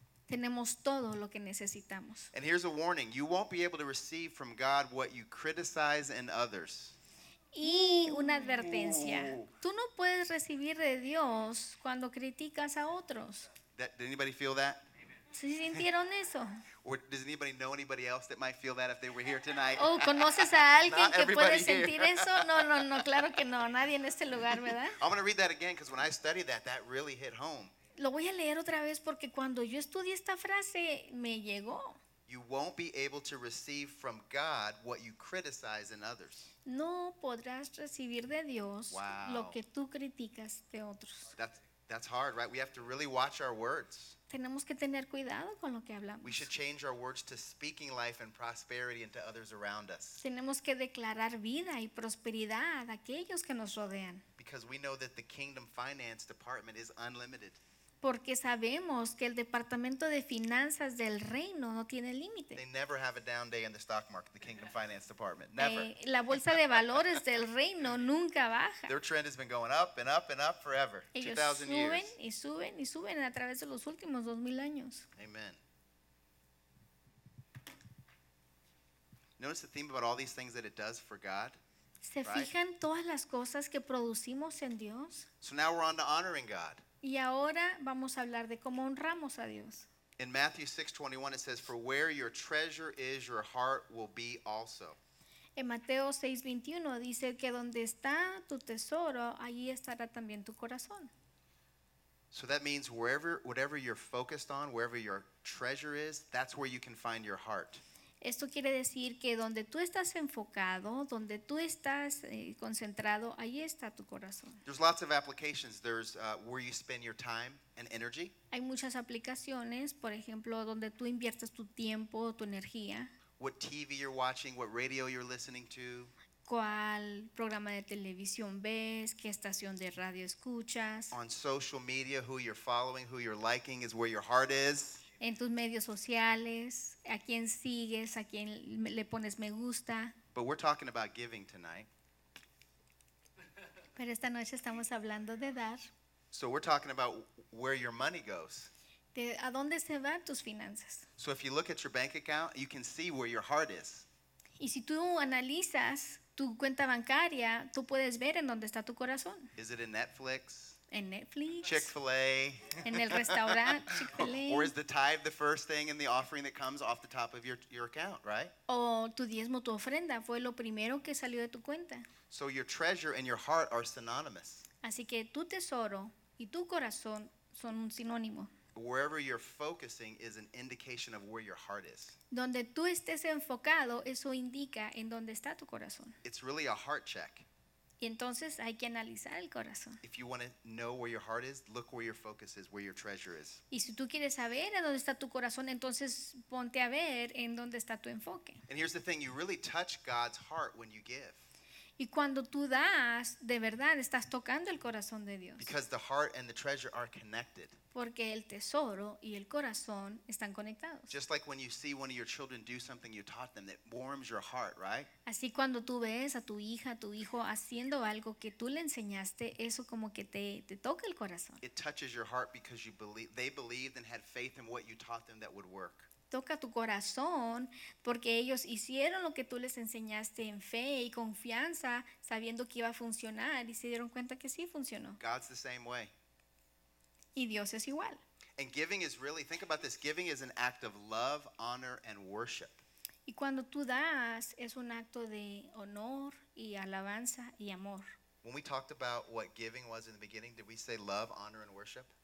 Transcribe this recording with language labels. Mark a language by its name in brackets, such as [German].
[Spanish] Tenemos todo lo que necesitamos. [English] And here's a warning. You won't be able to receive from God what you criticize in others. [Spanish] Y una advertencia. Tú no puedes recibir de Dios cuando criticas a otros. [English] Did anybody feel that? [Spanish] ¿Sí sintieron eso? [English] Or does anybody know anybody else that might feel that if they were here tonight? [Spanish] Oh, ¿conoces a alguien que puede sentir eso? No, claro que no. Nadie en este lugar, ¿verdad? [English] I'm going to read that again because when I studied that, that really hit home. [Spanish] Lo voy a leer otra vez porque cuando yo estudié esta frase, me llegó. [English] You won't be able to receive from God what you criticize in others. [Spanish] No podrás recibir de Dios, wow, lo que tú criticas de otros. [English] That's hard, right? We have to really watch our words. [Spanish] Tenemos que tener cuidado con lo que hablamos. [English] We should change our words to speaking life and prosperity into others around us. [Spanish] Tenemos que declarar vida y prosperidad a aquellos que nos rodean. [English] Because we know that the kingdom finance department is unlimited. [Spanish] Porque sabemos que el departamento de finanzas del reino no tiene límite. [English] They never have a down day in the stock market, the kingdom finance department. Never. [Spanish] La bolsa de valores del reino nunca baja. [English] Their trend has been going up and up and up forever. [Spanish] Ellos [English] 2,000 [Spanish] suben [English] years. [Spanish] Y suben y suben a través de los últimos 2,000 años. [English] Amen. Notice the theme about all these things that it does for God. [Spanish] ¿Se fijan todas las cosas que producimos en Dios? [English] So now we're on to honoring God. [Spanish] Y ahora vamos a hablar de cómo honramos a Dios. [English] In Matthew 6:21 it says, "For where your treasure is, your heart will be also." [Spanish] En Mateo 6:21 dice que donde está tu tesoro, allí estará también tu corazón. [English] So that means wherever, whatever you're focused on, wherever your treasure is, that's where you can find your heart. [Spanish] Esto quiere decir que donde tú estás enfocado, donde tú estás concentrado, ahí está tu corazón. [English] There's lots of applications. There's where you spend your time and energy. [Spanish] Hay muchas aplicaciones, por ejemplo, donde tú inviertes tu tiempo, tu energía. [English] What TV you're watching, what radio you're listening to. [Spanish] ¿Cuál programa de televisión ves? ¿Qué estación de radio escuchas? [English] On social media, who you're following, who you're liking is where your heart is. [Spanish] En tus medios sociales, a quién sigues, a quién le pones me gusta. [English] But we're talking about giving tonight. [Spanish] Pero esta noche estamos hablando de dar. [English] So we're talking about where your money goes. [Spanish] De a dónde se van tus finanzas. [English] So if you look at your bank account, you can see where your heart is. [Spanish] Y si tú analizas tu cuenta bancaria, tú puedes ver en dónde está tu corazón. [English] Is it in Netflix? [Spanish] En Netflix. [English] Chick-fil-A. [Spanish] En el restaurante Chick-fil-A. [English] Or is the tithe the first thing in the offering that comes off the top of your account, right? [Spanish] O tu diezmo, tu ofrenda, fue lo primero que salió de tu cuenta. [English] So your treasure and your heart are synonymous. [Spanish] Así que tu tesoro y tu corazón son un sinónimo. [English] Wherever you're focusing is an indication of where your heart is. [Spanish] Donde tú estés enfocado, eso indica en dónde está tu corazón. [English] It's really a heart check. [Spanish] Y entonces hay que analizar el corazón. [English] If you want to know where your heart is, look where your focus is, where your treasure is. [Spanish] Y si tú quieres saber en dónde está tu corazón, entonces ponte a ver en dónde está tu enfoque. [English] And here's the thing, you really touch God's heart when you give. [Spanish] Y cuando tú das, de verdad, estás tocando el corazón de Dios. [English] Because the heart and the treasure are connected. [Spanish] Porque el tesoro y el corazón están conectados. [English] Just like when you see one of your children do something you taught them, that warms your heart, right? [Spanish] Así cuando tú ves a tu hija, a tu hijo haciendo algo que tú le enseñaste, eso como que te toca el corazón. [English] It touches your heart because you believe, they believed and had faith in what you taught them that would work. [Spanish] Toca tu corazón porque ellos hicieron lo que tú les enseñaste en fe y confianza, sabiendo que iba a funcionar y se dieron cuenta que sí funcionó. [English] God's the same way. [Spanish] Y Dios es igual. [English] And giving is really, think about this, giving is an act of love, honor, and worship. [Spanish] Y cuando tú das, es un acto de honor y alabanza y amor. [English] When we talked about what giving was in the beginning, did we say love, honor, and worship?